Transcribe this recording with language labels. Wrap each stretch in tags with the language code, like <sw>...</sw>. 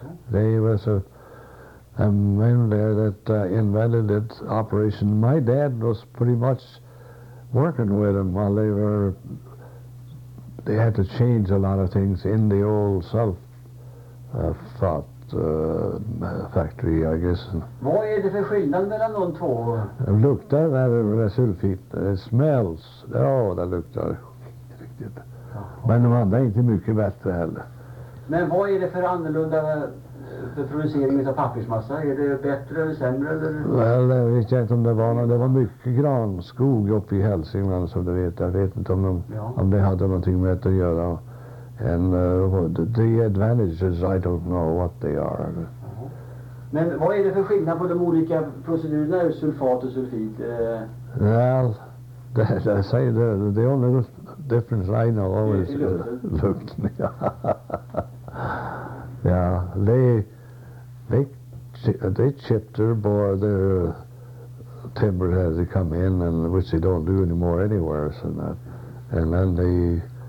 <en>There was a man there that invented that operation. My dad was pretty much working with them while they were... They had to change a lot of things in the old sulfate factory, I guess.</en> <sv>Vad är det för skillnad mellan de två? Det luktar när det är sulfit. Det smälls. Ja, det luktar riktigt. Men de andra är inte mycket bättre heller. Men vad är det för annorlunda för producering av pappersmassa? Är det bättre eller sämre? Well, jag vet inte om det var någon. Det var mycket granskog uppe i Hälsingland, som du vet. Jag vet inte om det hade någonting med att göra.</sv> <en>And the advantages, I don't know what they are.</en> <sv>Men vad är det för skillnad på de olika procedurerna, sulfat och sulfit?</sv> <en>Well, I say the only difference I know is lukten. Yeah, they chip their bore their timber as they come in, and which they don't do anymore anywhere, so that, and then they.</en>